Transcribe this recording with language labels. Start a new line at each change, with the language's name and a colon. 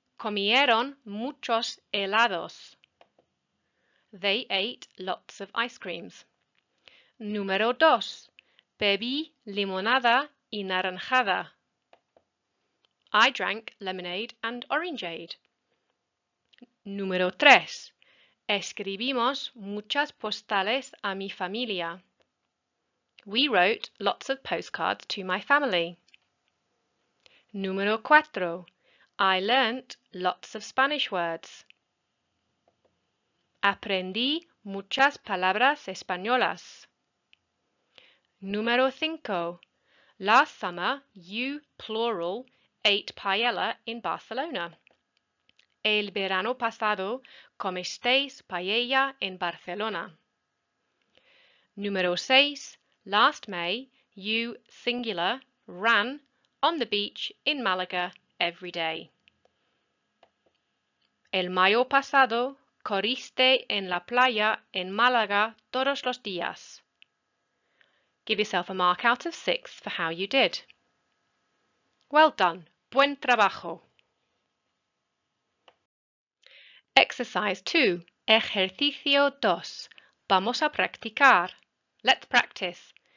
Spanish: Comieron muchos helados.
English: They ate lots of ice creams.
Spanish: Número 2. Bebí limonada y naranjada.
English: I drank lemonade and orangeade.
Spanish: Número 3. Escribimos muchas postales a mi familia.
English: We wrote lots of postcards to my family.
Spanish: Número 4.
English: I learnt lots of Spanish words.
Spanish: Aprendí muchas palabras españolas. Número 5.
English: Last summer, you, plural, ate paella in Barcelona.
Spanish: El verano pasado, comisteis paella en Barcelona. Número 6.
English: Last May, you, singular, ran on the beach in Malaga every day.
Spanish: El mayo pasado, corriste en la playa en Málaga todos los días.
English: Give yourself a mark out of 6 for how you did. Well done.
Spanish: Buen trabajo.
English: Exercise 2.
Spanish: Ejercicio 2. Vamos a practicar.
English: Let's practice.